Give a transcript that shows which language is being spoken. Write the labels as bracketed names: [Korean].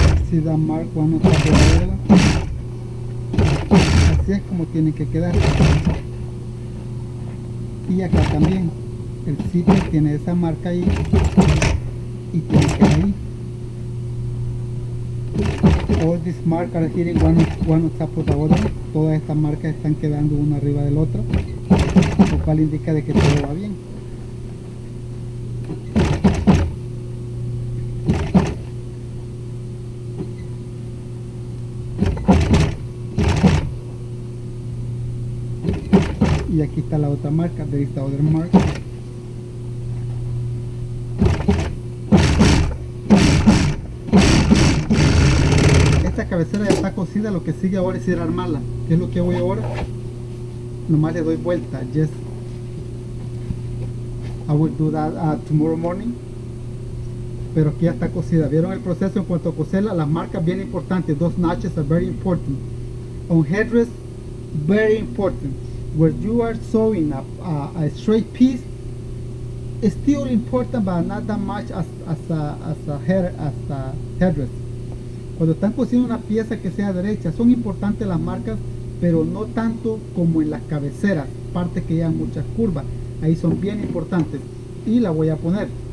[Spanish] Si da mark one está perdida, así es como tiene que quedar. Y acá también el sitio tiene esa marca ahí y tiene que ir ahí. [English] All these marks are here, one on top of the other. [Spanish] Todas estas marcas están quedando una arriba del otro, lo cual indica de que todo va bien. Y aquí está la otra marca, [English] there is the other mark. [Spanish] Cabecera ya está cocida, lo que sigue ahora es ir a armarla. ¿Qué es lo que voy ahora? Nomás le doy vuelta. [English] Yes, I will do that tomorrow morning. [Spanish] Pero aquí ya está cocida. ¿Vieron el proceso en cuanto a cocerla? Las marcas bien importantes. [English] Those notches are very important. On headrest, very important. Where you are sewing a straight piece, it's still important, but not that much as a headrest. [Spanish] Cuando están cosiendo una pieza que sea derecha, son importantes las marcas, pero no tanto como en las cabeceras, parte que llevan muchas curvas. Ahí son bien importantes. Y la voy a poner.